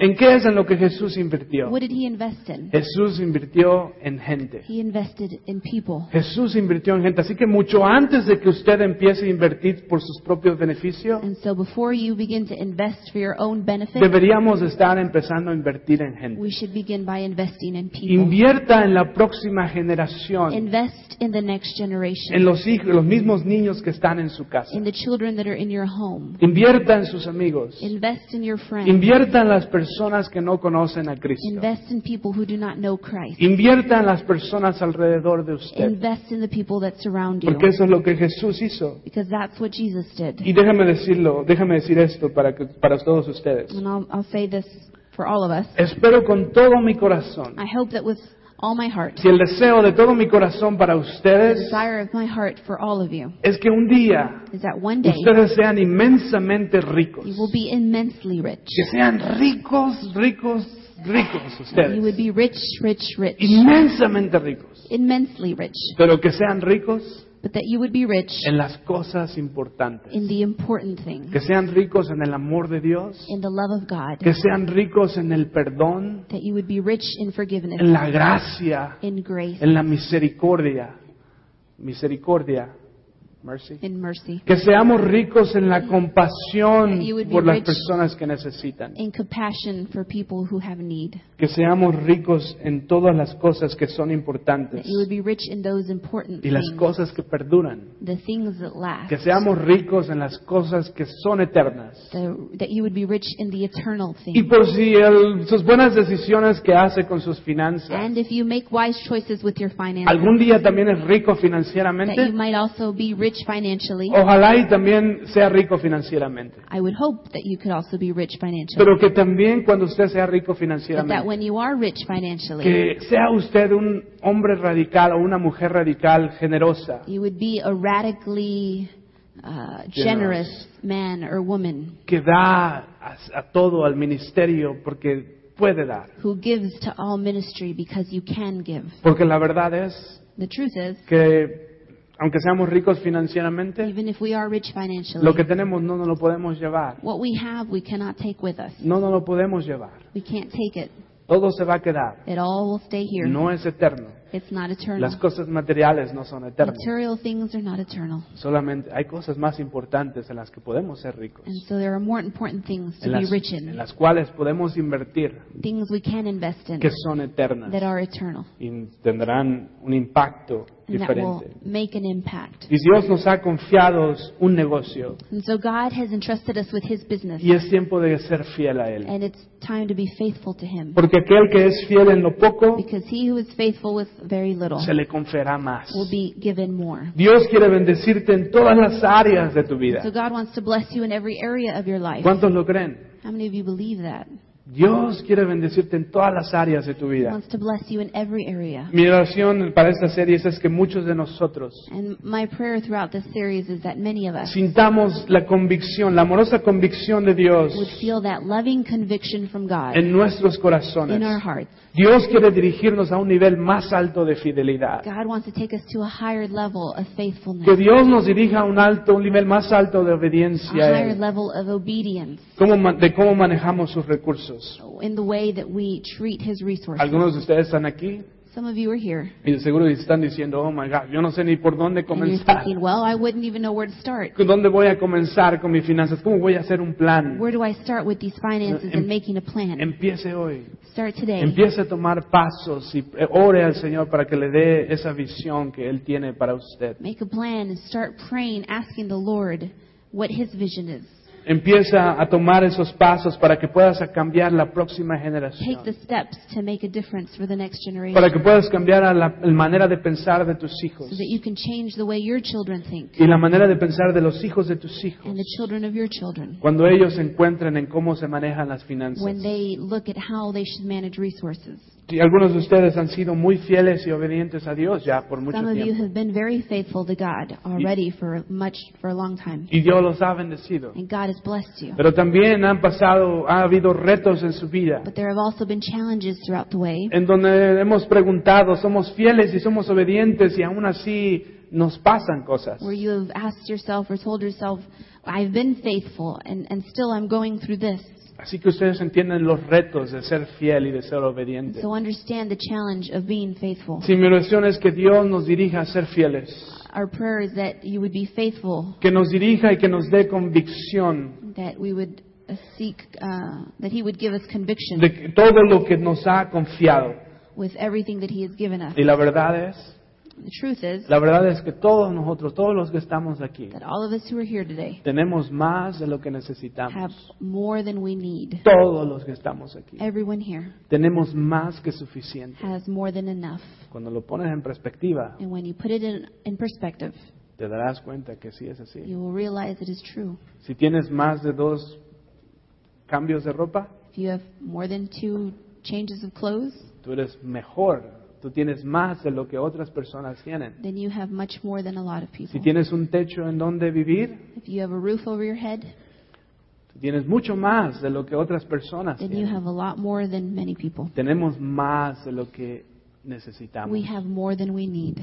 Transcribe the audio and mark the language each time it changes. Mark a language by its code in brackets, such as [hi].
[es] ¿En qué es en lo que Jesús invirtió? [en] What did he invest in? [es] Jesús invirtió en gente. [en] He invested in people. [es] Jesús invirtió en gente. Así que mucho antes de que usted empiece a invertir por sus propios beneficios, [en] and so before you begin to invest for your own benefit, [es] deberíamos estar empezando a invertir en gente. [en] We should begin by investing in people. [es] Invierta en la próxima generación. [en] Invest in the next generation. [es] En los hijos, los mismos niños que están en su casa. [en] In the children that are in your home. [es] Invierta en sus amigos. [en] Invest in your friends. [es] Invierta en las personas que no conocen a Cristo. [en] Invest in people who do not know Christ. [es] Invierta en las personas alrededor de usted. [en] Invest in the people that surround you. [es] Porque eso es lo que Jesús hizo. [en] Because that's what Jesus did. [es] Y déjame decir esto para todos ustedes. [en] And I'll say this for all of us. [es] Espero con todo mi corazón. [en] I hope that with all my heart. [es] Si el deseo de todo mi corazón para ustedes, [en] the desire of my heart for all of you, [es] es que un día, [en] is that one day, [es] ustedes sean inmensamente ricos. [en] You will be immensely rich. [es] Que sean ricos, ricos, ricos ustedes. [en] You would be rich, rich, rich. [es] Inmensamente ricos. [en] Immensely rich. [es] Pero que sean ricos, [en] but that you would be rich, [es] en las cosas importantes, [en] in the important things, [es] que sean ricos en el amor de Dios, [en] in the love of God, [es] que sean ricos en el perdón, [en] that you would be rich in forgiveness, [es] en la gracia, [en] in grace, [es] en la misericordia, misericordia, mercy. [en] In mercy. [es] Que seamos ricos en la compasión por las personas que necesitan. [en] In compassion for people who have need. [es] Que seamos ricos en todas las cosas que son importantes. [en] That you would be rich in those important things. [es] Y las cosas que perduran. [en] The things that last. [es] Que seamos ricos en las cosas que son eternas. [en] That you would be rich in the eternal things. [es] Y por si sus buenas decisiones que hace con sus finanzas. [en] And if you make wise choices with your finances. [es] Algún día también es rico financieramente. [en] That you might also be rich financially. [es] Ojalá y también sea rico financieramente. [en] I would hope that you could also be rich financially. [es] Pero que también cuando usted sea rico financieramente. [en] But that when you are rich financially. [es] Que sea usted un hombre radical o una mujer radical generosa. [en] You would be a radically generous man or woman. [es] Que da a todo al ministerio porque puede dar. [en] Who gives to all ministry because you can give. [es] Porque la verdad es. [en] The truth is. [es] Que aunque seamos ricos financieramente, [en] even if we are rich financially, [es] lo que tenemos no nos lo podemos llevar. [en] What we have, we cannot take with us. [es] No nos lo podemos llevar. [en] We can't take it. [es] Todo se va a quedar. [en] It all will stay here. [es] No es eterno. [en] It's not eternal. [es] Las cosas materiales no son eternas. [en] Material things are not eternal. [es] Solamente hay cosas más importantes en las que podemos ser ricos. [en] And so there are more important things to be rich in. [es] En las cuales podemos invertir. [en] Things we can invest in. [es] Que son eternas. [en] That are eternal. [es] Y tendrán un impacto diferente. [en] And that will make an impact. [es] Y Dios nos ha confiado un negocio. [en] And so God has entrusted us with His business. [es] Y es tiempo de ser fiel a Él. [en] And it's time to be faithful to Him. [es] Porque aquel que es fiel en lo poco. [en] Because he who is faithful with very little, [es] se le conferirá más. [en] Will be given more. [es] Dios quiere bendecirte en todas las áreas de tu vida. [en] So God wants to bless you in every area of your life. [es] ¿Cuántos lo creen? [en] How many of you believe that? [es] Dios quiere bendecirte en todas las áreas de tu vida. [en] He wants to bless you in every area. [es] Mi oración para esta serie es que muchos de nosotros, [en] and my prayer throughout this series is that many of us, [es] sintamos la convicción, la amorosa convicción de Dios, [en] would feel that loving conviction from God, [es] en nuestros corazones, [en] in our hearts. [es] Dios quiere dirigirnos a un nivel más alto de fidelidad. [en] God wants to take us to a higher level of faithfulness. [es] Que Dios nos dirija a un nivel más alto de obediencia. [en] A higher level of obedience. [es] De cómo manejamos sus recursos. [en] In the way that we treat His resources. [es] Algunos de ustedes están aquí. [en] Some of you are here. [es] Y seguro están diciendo, [en] oh my God, [es] yo no sé ni por dónde comenzar. [en] And you're thinking, well, I wouldn't even know where to start. [es] ¿Dónde voy a comenzar con mis finanzas? ¿Cómo voy a hacer un plan? [en] Where do I start with these finances and making a plan? [es] Empiece hoy. [en] Start today. [es] Empiece a tomar pasos y ore al Señor para que le dé esa visión que Él tiene para usted. [en] Make a plan and start praying, asking the Lord what His vision is. [es] Empieza a tomar esos pasos para que puedas cambiar la próxima generación. [en] Take the steps to make a difference for the next generation. [es] Para que puedas cambiar la manera de pensar de tus hijos. [en] So that you can change the way your children think. [es] Y la manera de pensar de los hijos de tus hijos. [en] And the children of your children. [es] Cuando ellos se encuentren en cómo se manejan las finanzas. [en] When they look at how they should manage resources. [es] Y algunos de ustedes han sido muy fieles y obedientes a Dios ya por mucho tiempo. [en] Some of you have been very faithful to God already for a long time. [es] Y Dios los ha bendecido. [en] And God has blessed you. [es] Pero también ha habido retos en su vida. [en] But there have also been challenges throughout the way. [es] En donde hemos preguntado, somos fieles y somos obedientes y aún así nos pasan cosas. [en] Where you have asked yourself or told yourself, I've been faithful and still I'm going through this. [es] Así que ustedes entienden los retos de ser fiel y de ser obediente. [en] So understand the challenge of being faithful. [es] Si mi oración es que Dios nos dirija a ser fieles. [en] Our prayer is that you would be faithful. [es] Que nos dirija y que nos dé convicción. [en] That we would seek, that He would give us conviction. [es] De todo lo que nos ha confiado. [en] With everything that He has given us. [es] Y la verdad es. [en] The truth is, [es] la verdad es que todos nosotros, todos los que estamos aquí, [en] that all of us who are here today, [es] tenemos más de lo que necesitamos. [en] Have more than we need. [es] Todos los que estamos aquí, [en] everyone here, [es] tenemos más que suficiente. [en] Has more than enough. [es] Cuando lo pones en perspectiva, [en] and when you put it in perspective, [es] te darás cuenta que sí es así. [en] You will realize it is true. [es] Si tienes más de dos cambios de ropa, [en] if you have more than two changes of clothes, [es] tú eres mejor. Tú tienes más de lo que otras personas tienen. [en] Then you have much more than a lot of people. [es] Si tienes un techo en donde vivir, [en] if you have a roof over your head, [es] tú tienes mucho más de lo que otras personas [en] then [es] tienen. [en] You have a lot more than many people. [es] Tenemos más de lo que necesitamos. [en] We have more than we need.